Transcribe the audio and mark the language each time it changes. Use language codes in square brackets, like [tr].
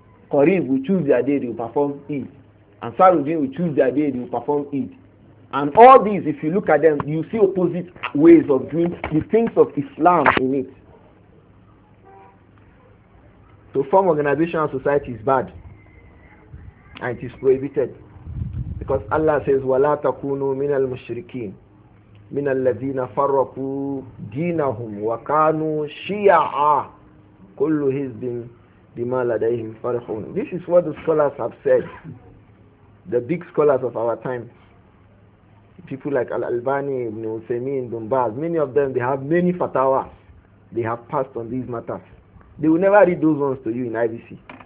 [en] Qarib will choose their day, they will perform Eid. And Saruddin will choose their day, they will perform Eid. And all these, if you look at them, you see opposite ways of doing the things of Islam in it. To form organization and society is bad. And it is prohibited. Because Allah says, [ar] وَلَا تَكُونُوا مِنَ الْمُشْرِكِينَ مِنَ الَّذِينَ فَرَّقُوا دِينَهُمْ وَكَانُوا شِيَعًا كُلُّ حِزْبٍ بِمَا لَدَيْهِمْ فَرِحُونَ. [en] This is what the scholars have said. The big scholars of our time. People like Al-Albani, Ibn Uthaymeen, Ibn Baz, many of them, they have many fatawa. They have passed on these matters. They will never read those ones to you in IBC.